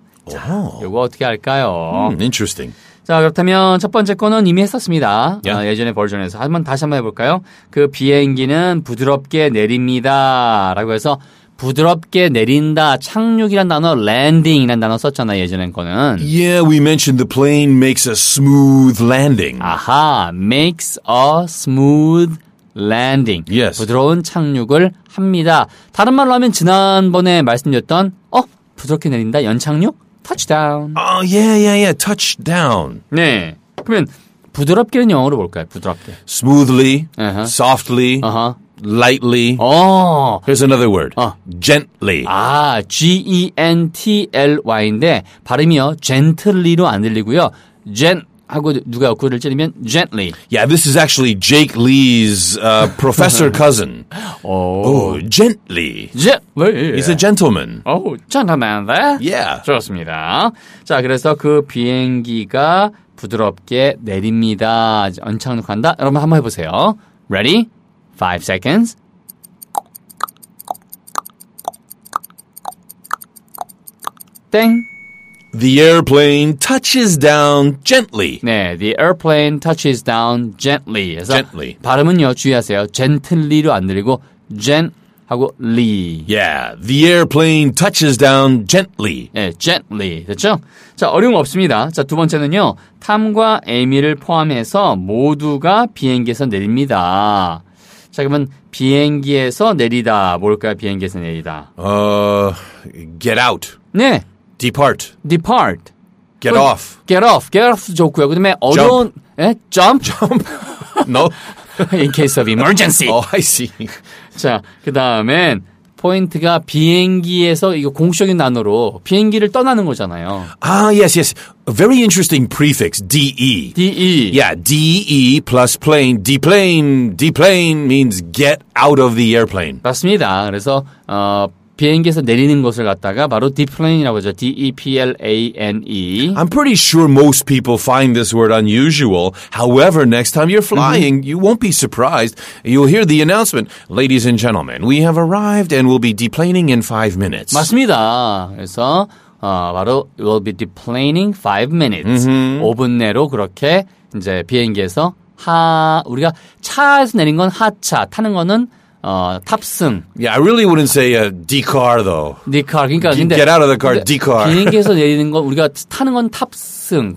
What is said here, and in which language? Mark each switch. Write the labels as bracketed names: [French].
[Korean] 자, 이거 어떻게 할까요? [English] Interesting. [Korean] 자, 그렇다면 첫 번째 거는 이미 했었습니다. [English] Yeah. [Korean] 예전의 버전에서. 한번 다시 한번 해볼까요? 그 비행기는 부드럽게 내립니다라고 해서 부드럽게 내린다, 착륙이란 단어, landing이란 단어 썼잖아요, 예전엔 거는. [English] Yeah, we mentioned the plane makes a smooth landing. 아하, makes a smooth landing. Yes. [Korean] 부드러운 착륙을 합니다. 다른 말로 하면 지난번에 말씀드렸던, 부드럽게 내린다, 연착륙? [English] Touchdown. Yeah, touchdown. [Korean] 네. 그러면, 부드럽게는 영어로 볼까요, 부드럽게? [English] Smoothly, softly. Lightly. Oh. Here's another word. Gently. [Korean] G-E-N-T-L-Y인데 발음이요. Gently로 안 들리고요. Gent하고 누가 옆구리를 찌르면 gently. [English] Yeah, this is actually Jake Lee's professor cousin. Gently. Gently. He's a gentleman. Oh, gentleman there. Yeah. [Korean] 좋습니다. 자, 그래서 그 비행기가 부드럽게 내립니다. 연착륙한다. 여러분 한번 해보세요. [English] Ready? 5 seconds. Ding. The airplane touches down gently. 네, the airplane touches down gently. [Korean] 그래서 [English] gently. [Korean] 발음은요, 주의하세요. gently로 안 들리고 gent하고 li. [English] Yeah, the airplane touches down gently. [Korean] 네, gently. 됐죠? 자, 어려움 없습니다. 자, 두 번째는요. 탐과 에미를 포함해서 모두가 비행기에서 내립니다. 자, 그러면 비행기에서 내리다. 뭘까요, 비행기에서 내리다? [English] Get out. [Korean] 네. [English] Depart. Depart. Get off. Get off. Get off [Korean] 좋고요. 그 다음에 어려운... [English] Jump. 네? Jump. Jump. No. In case of emergency. Oh, I see. [Korean] 자, 그 다음엔 포인트가 비행기에서 이거 공식적인 단어로 비행기를 떠나는 거잖아요. [English] Ah, yes, yes. A very interesting prefix, DE. DE. Yeah, DE plus plane. D-plane. D-plane means get out of the airplane. [Korean] 맞습니다. 그래서... 비행기에서 내리는 것을 갖다가 바로 deplane이라고 하죠. D-E-P-L-A-N-E. [English] I'm pretty sure most people find this word unusual. However, next time you're flying, you won't be surprised. You'll hear the announcement. Ladies and gentlemen, we have arrived and we'll be deplaning in 5 minutes. [Korean] 맞습니다. 그래서 바로 [English] we'll be deplaning 5 minutes. Mm-hmm. [Korean] 5분 내로 그렇게 이제 비행기에서 우리가 차에서 내린 건 하차, 타는 거는 탑승. [English] Yeah, I really wouldn't say D-car though. [Korean] D-car. 그러니까 근데 [English] get out of the car, D-car. [Korean] 비행기에서 내리는 건 우리가 타는 건 탑승.